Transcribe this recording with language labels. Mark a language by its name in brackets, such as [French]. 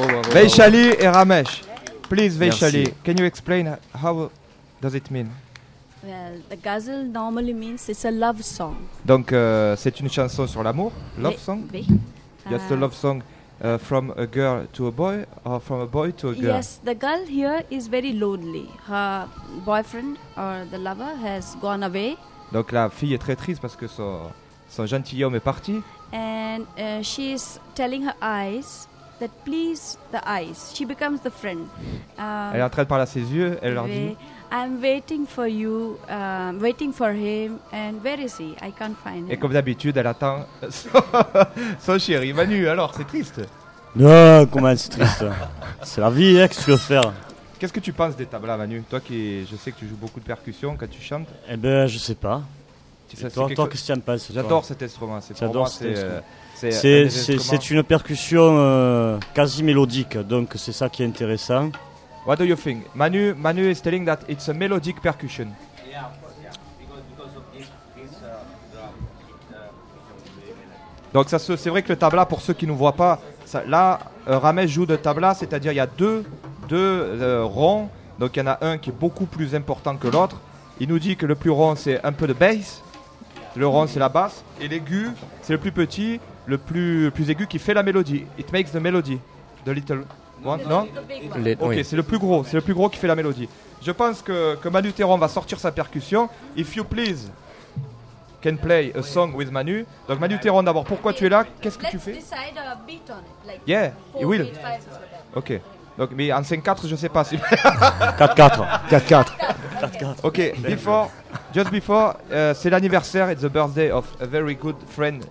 [English] Vaishali et Ramesh, please Vaishali, can you explain how does it mean? Well, the ghazal normally means it's a love song. [French] Donc c'est une chanson sur l'amour, [English] love song? [French] Oui. [English] Just a love song from a girl to a boy or from a boy to a girl? Yes, the girl here is very lonely. Her boyfriend or the lover has gone away. [French] Donc la fille est très triste parce que son gentilhomme est parti. [English] And she is telling her eyes that please the eyes. She becomes the friend. [French] Elle est en train de parler à ses yeux. Elle leur dit, [English] I'm waiting for you, waiting for him, and where is he? I can't find him. [French] Et comme d'habitude, elle attend son chéri. Manu, alors, c'est triste. Non, comment c'est triste? C'est la vie, hein, que tu veux faire. Qu'est-ce que tu penses des tablas, Manu? Toi qui, je sais que tu joues beaucoup de percussions quand tu chantes. Eh ben, je sais pas. Toi, qu'est-ce que tu en penses? J'adore cet instrument. C'est une percussion quasi mélodique, donc c'est ça qui est intéressant. [English] What do you think? Manu is telling that it's a melodic percussion. Yeah, of course, yeah. Because of this drum, [French] Donc ça, c'est vrai que le tabla, pour ceux qui ne nous voient pas, ça, là, Ramesh joue de tabla, c'est-à-dire il y a deux ronds, donc il y en a un qui est beaucoup plus important que l'autre. Il nous dit que le plus rond, c'est un peu de bass. Le rond, c'est la basse. Et l'aigu, c'est le plus petit, le plus aigu qui fait la mélodie. [English] It makes the melody. The little one, non? [French] Ok, oui. C'est le plus gros qui fait la mélodie. Je pense que Manu Théron va sortir sa percussion. [English] If you please can play a song with Manu. [French] Donc Manu Théron, d'abord, pourquoi tu es là? Qu'est-ce que [English] Let's [French] tu fais? [English] Let's decide a beat on it. Like yeah, four, you will. Eight, five, yeah. Ok. [French] Donc, mais en 5-4, je ne sais pas si... 4-4. 4-4. [English] Ok, just before, [French] c'est l'anniversaire, [English] it's the birthday of a very good friend.